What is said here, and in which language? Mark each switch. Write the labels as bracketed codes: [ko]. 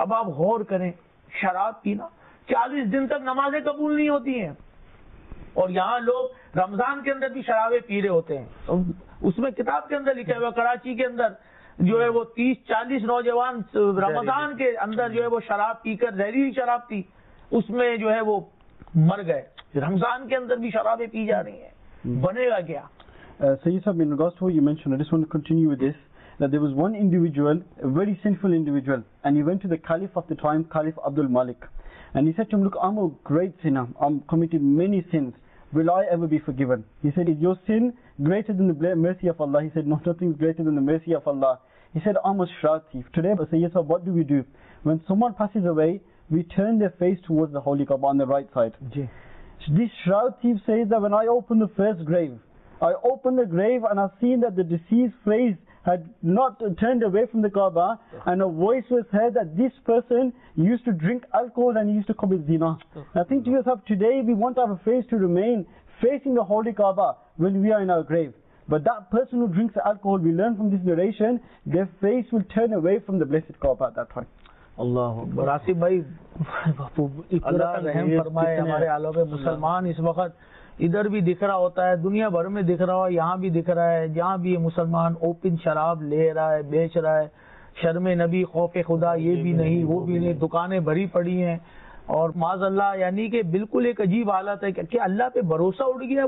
[ur] اب آپ غور کریں, شراب پینا, 40 دن تک نمازیں قبول نہیں ہوتی ہیں, اور یہاں لوگ رمضان کے اندر بھی شرابیں پی رہے ہوتے ہیں. اس میں کتاب کے اندر لکھا ہوا کراچی کے اندر جو ہے وہ 30-40 نوجوان رمضان کے اندر جو ہے وہ شراب پی کر, زہریلی شراب تھی اس میں جو ہے وہ مر گئے. رمضان کے اندر بھی شرابیں پی جا رہی ہیں, بنے گا کیا؟ [en] Syed Sahab, in regards to what you mentioned, I just want to continue with this, that there was one individual, a very sinful individual, and he went to the caliph of the time, Caliph Abdul Malik, and he said to him, look, I'm a great sinner, I'm committed many sins, will I ever be forgiven? He said, is your sin greater than the mercy of Allah? He said, no, nothing is greater than the mercy of Allah. He said, I'm a shroud thief. Today, Sayyid Sahib, what do? When someone passes away, we turn their face towards the Holy Kaaba on the right side. Yeah. This shroud thief says that when I opened the first grave, I opened the grave and I seen that the deceased face had not turned away from the Kaaba, and a voice was heard that this person used to drink alcohol and he used to commit zina. I think to yourself, today we want to have a face to remain facing the Holy Kaaba when we are in our grave. But that person who drinks alcohol, we learn from this narration, their face will turn away from the blessed Kaaba at that time. [ur] اللہ اکبر. آصف بھائی, اللہ رحم فرمائے ہمارے عالم مسلمان. اس وقت ادھر بھی دکھ رہا ہوتا ہے, دنیا بھر میں دکھ رہا ہو, یہاں بھی دکھ رہا ہے, جہاں بھی مسلمان اوپن شراب لے رہا ہے, بیچ رہا ہے. شرم نبی, خوف خدا, یہ بھی نہیں, وہ بھی نہیں, دکانیں بھری پڑی ہیں, اور معاذ اللہ, یعنی کہ بالکل ایک عجیب حالت ہے کہ اللہ پہ بھروسہ اڑ گیا ہے.